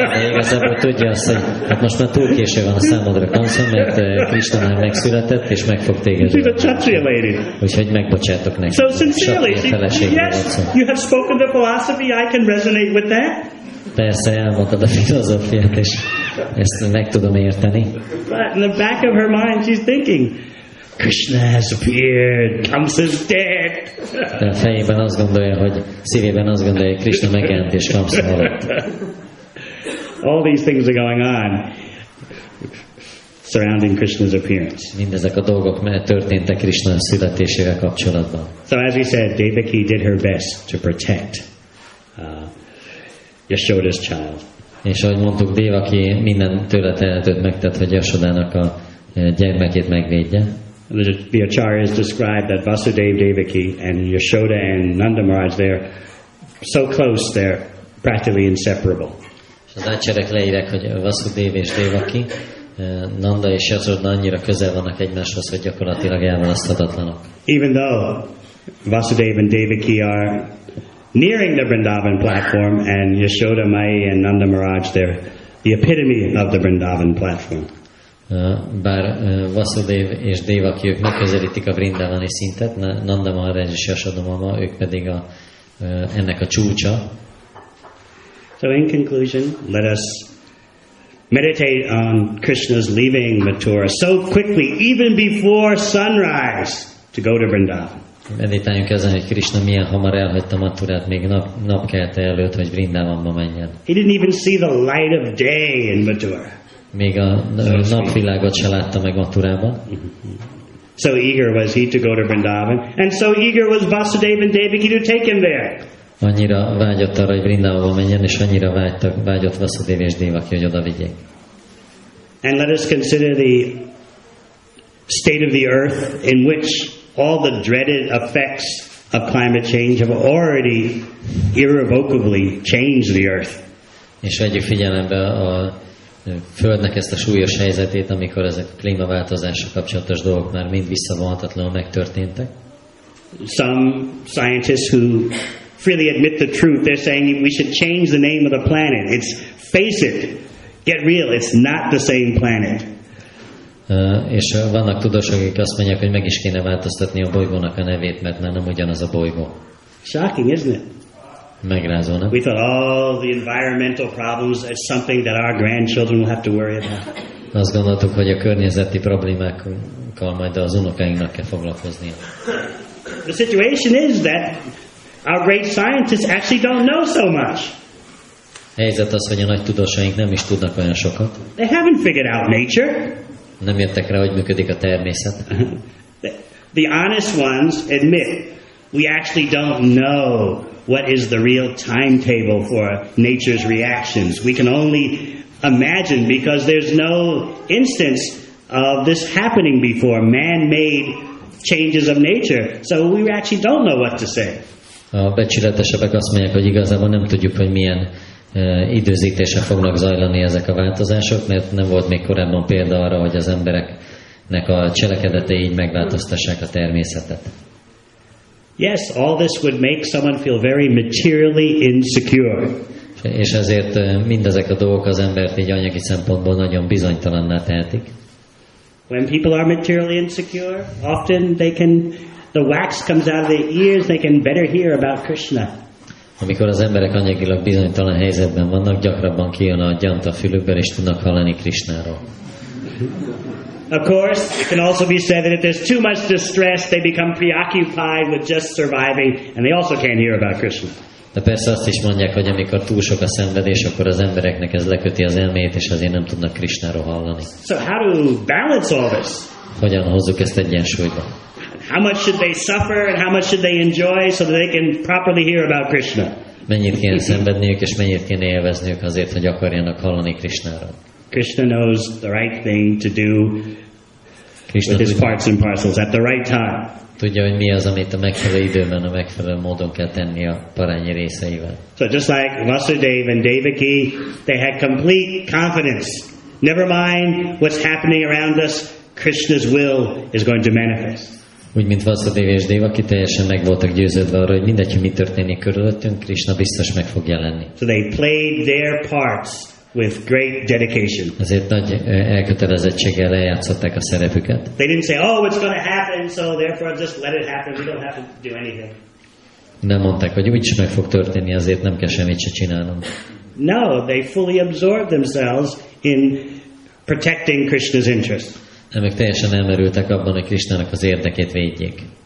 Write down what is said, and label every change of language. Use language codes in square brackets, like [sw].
[hu] Igazából tudja azt, hogy hát most már túl késő van a számodra, Kamsa, mert Krishna már megszületett, és meg fog téged. [en] She's a Kshatriya lady. [hu] Úgyhogy megbocsátok neki. [en] So sincerely, yes, you have spoken the philosophy, I can resonate with that. [hu] Persze, elmondtad a filozófiát, és ezt meg tudom érteni. [en] But in the back of her mind, she's thinking, Krishna has appeared. Kamsa's dead. [hu] De a fejében azt gondolja, hogy szívében azt gondolja, hogy Krishna megjelent és Kamsa halott. [en] All these things are going on surrounding Krishna's appearance. [hu] Mindezek a dolgok történtek Krishna születésével kapcsolatban. [en] So as we said, Devaki did her best to protect Yashoda's child. [hu] És ahogy mondtuk, Devaki minden tőle tehetőt megtett, hogy Yashodának a gyermekét megvédje. [en] The Acharyas described that Vasudev Devaki and Yashoda and Nanda Maharaj, they're so close, they're practically inseparable. [hu] Az Acharyák leírják, hogy Vasudev és Devaki, Nanda és Yashoda annyira közel vannak egymáshoz, hogy gyakorlatilag elválaszthatatlanok. [en] Even though Vasudev and Devaki are nearing the Vrindavan platform and Yashoda Mai and Nanda Maharaj, they're the epitome of the Vrindavan platform. [hu] Bár Vasudev és Devaki, ők megközelítik a Vrindavani szintet, Nanda Maharaj és Yashoda Mama, ők pedig ennek a csúcsa. [en] So in conclusion, let us meditate on Krishna's leaving Mathura so quickly, even before sunrise, to go to Vrindavan. [hu] Meditáljunk ezen, hogy Krishna milyen hamar elhagyta Mathurát, még napkelte előtt, hogy Vrindavanba menjen. [en] He didn't even see the light of day in Mathura. [hu] Még a napvilágot se látta meg Mathurában. [en] So eager was he to go to Vrindavan, and so eager was Vasudeva and Devaki to take him there. [hu] Annyira vágyott arra, hogy Vrindavanba menjen, és annyira vágyott Vasudeva és Devaki, hogy oda vigyék. [en] And let us consider the state of the earth in which all the dreaded effects of climate change have already irrevocably changed the earth. [hu] És vegyük figyelembe a Földnek ezt a súlyos helyzetét, amikor ezek a klímaváltozással kapcsolatos dolgok már mind visszavonhatatlanul megtörténtek. [en] Some scientists who freely admit the truth, they're saying we should change the name of the planet. It's face it, get real, it's not the same planet. [hu] És vannak tudósok, akik azt mondják, hogy meg is kéne változtatni a bolygónak a nevét, mert nem ugyanaz a bolygó. [en] Shocking, isn't it? [hu] Megrázó, nem? [en] We thought all the environmental problems is something that our grandchildren will have to worry about. [hu] Azt gondoltuk, hogy a környezeti problémákkal majd az unokáinknak kell foglalkoznia. [en] The situation is that our great scientists actually don't know so much. [hu] Helyzet az, hogy a nagy tudósaink nem is tudnak olyan sokat. [en] They haven't figured out nature. [hu] Nem jöttek rá, hogy működik a természet. [en] The honest ones admit we actually don't know what is the real timetable for nature's reactions. We can only imagine because there's no instance of this happening before, man-made changes of nature. So we actually don't know what to say. [hu] A becsületesebbek azt mondják, hogy igazából nem tudjuk, hogy milyen időzítése fognak zajlani ezek a változások, mert nem volt még korábban példa arra, hogy az embereknek a cselekedetei így megváltoztassák a természetet. [en] Yes, all this would make someone feel very materially insecure. [hu] És ezért mindezek a dolgok az embert így anyagi szempontból nagyon bizonytalanná tehetik. [en] When people are materially insecure, often they can the wax comes out of their ears, they can better hear about Krishna. [hu] Amikor az emberek anyagilag bizonytalan helyzetben vannak, gyakrabban kijön a gyant a fülükben, és tudnak hallani Krishnáról. [en] Of course, it can also be said that if there's too much distress, they become preoccupied with just surviving, and they also can't hear about Krishna. [hu] De persze azt is mondják, hogy amikor túl sok a szenvedés, akkor az embereknek ez leköti az elmét, és azért nem tudnak Krishnáról hallani. [en] So how to balance all this? [hu] Hogyan hozzuk ezt egyensúlyba? [en] How much should they suffer and how much should they enjoy so that they can properly hear about Krishna? [hu] Mennyit kéne szenvedniük és mennyit kéne élvezniük azért, hogy akarjanak hallani Krishnáról? [en] Krishna knows the right thing to do Krishna with his parts and parcels at the right time. [hu] Tudja, hogy mi az, amit a megfelelő időben, a megfelelő módon kell tenni a parányi részeivel. [en] So just like Vasudeva and Devaki, they had complete confidence. Never mind what's happening around us, Krishna's will is going to manifest. [hu] Úgy, mint Vasudeva és Devaki, teljesen meg voltak győződve arra, hogy mindegy, hogy mi történik körülöttünk, Krishna biztos meg fog jelenni. [en] So they played their parts with great dedication. [hu] Ezért nagy elkötelezettséggel eljátszották a szerepüket. [en] They didn't say, oh, it's going to happen, so therefore just let it happen. We don't have to do anything. [hu] Nem mondták, hogy úgyis meg fog történni, azért nem kell semmit se csinálnom. [en] No, they fully absorbed themselves in protecting Krishna's interests. [hu] Nem, ők teljesen elmerültek abban, hogy Krishnának az érdekét védjék.